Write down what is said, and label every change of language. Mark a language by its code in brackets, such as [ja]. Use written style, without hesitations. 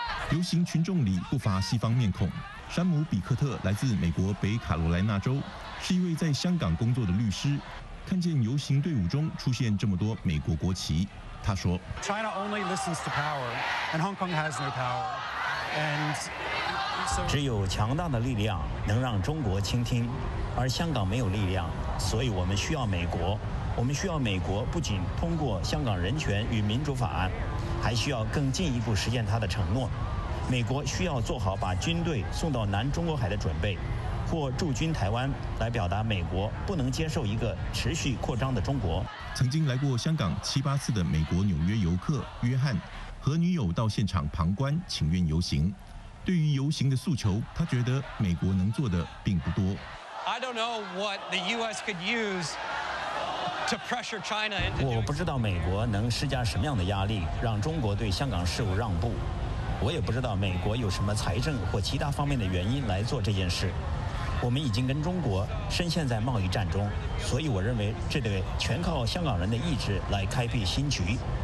[zh] 游行群众里不乏西方面孔，山姆·比克特来自美国北卡罗来纳州，是一位在香港工作的律师。看见游行队伍中出现这么多美国国旗，他说 [en] China only listens to power and Hong Kong has no power and so [zh] 只有强大的力量能让中国倾听，而香港没有力量，所以我们需要美国。我们需要美国不仅通过香港人权与民主法案，还需要更进一步实现他的承诺。美国需要做好把军队送到南中国海的准备，或驻军台湾，来表达美国不能接受一个持续扩张的中国。曾经来过香港七八次的美国纽约游客约翰和女友到现场旁观请愿游行，对于游行的诉求，他觉得美国能做的并不多。 [en] I don't know what the US could use to pressure China into [zh] 我不知道美国能施加什么样的压力让中国对香港事务让步，我也不知道美国有什么财政或其他方面的原因来做这件事。我们已经跟中国深陷在贸易战中，所以我认为这得全靠香港人的意志来开辟新局。